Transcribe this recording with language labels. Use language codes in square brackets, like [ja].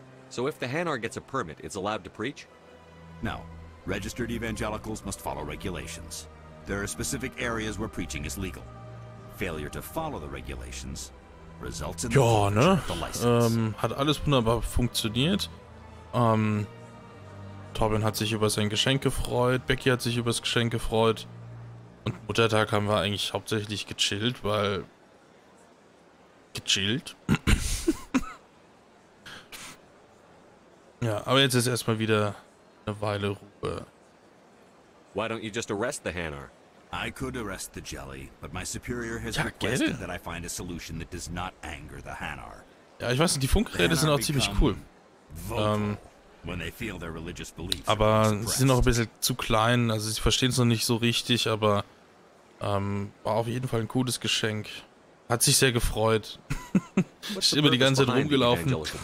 [en] So if the Hanar gets a permit, it's allowed to preach? No. Registered evangelicals must follow regulations. There are specific areas where preaching is legal. Failure to follow the regulations results in ja, the ne? The license. [de] Hat alles wunderbar funktioniert. Torben hat sich über sein Geschenk gefreut, Becky hat sich über das Geschenk gefreut. Und Muttertag haben wir eigentlich hauptsächlich gechillt, weil... Gechillt? Ja, aber jetzt ist erstmal wieder eine Weile Ruhe. [en] Why don't you just arrest the Hanar? I could arrest the Jelly, but my superior has requested that I find a solution that does not anger the Hanar. [de] Ja, ich weiß nicht, die Funkgeräte sind auch ziemlich cool. [en] When they feel their religious beliefs are aber suppressed. [de] Sie sind auch ein bisschen zu klein, also sie verstehen es noch nicht so richtig, aber war auf jeden Fall ein cooles Geschenk. Hat sich sehr gefreut. Ich bin immer die ganze Zeit rumgelaufen.